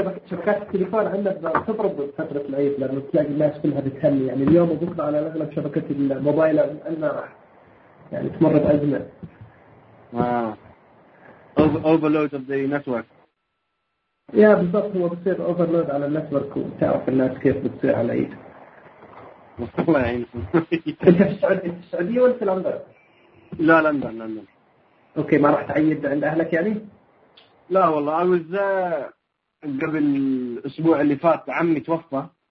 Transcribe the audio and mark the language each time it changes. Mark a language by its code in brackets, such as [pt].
[ar] شبكات التليفون عندنا تضرب فترة العيد لأنه تلاقي الناس كلها بتهني يعني اليوم وبكرة على الأغلب شبكة الموبايل عندنا راح يعني تمر بأزمة. [en] Overload of the network. [ar] يا بالضبط هو بصير overload على النتورك وتعرف الناس كيف بتصير على العيد. الله يعينكم. أنت في السعودية ولا في لندن؟ لا لندن. أوكي ما راح تعيد عند أهلك يعني؟ لا والله أنا وذا قبل الأسبوع اللي فات عمي توفى.